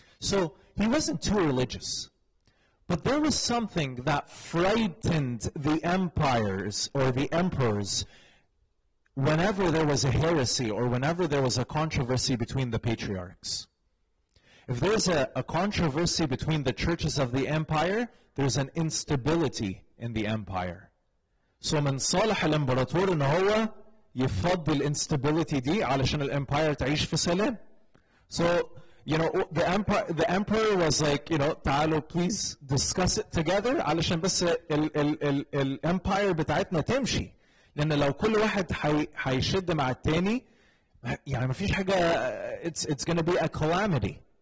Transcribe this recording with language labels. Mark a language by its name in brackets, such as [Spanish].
[English] So he wasn't too religious. But there was something that frightened the empires or the emperors whenever there was a heresy or whenever there was a controversy between the patriarchs. If there's a controversy between the churches of the empire, there's an instability in the empire. [Arabic] So من صالح الامبراطور ان هو يفضل الانستابيليتي دي علشان الامباير تعيش في سلام. [English] So the emperor was like, [Arabic] تعالوا [English] please discuss it together [Arabic] علشان بس الامباير بتاعتنا تمشي. لان لو كل واحد هيشد مع التاني ما فيش حاجه, [English] it's going to be a calamity.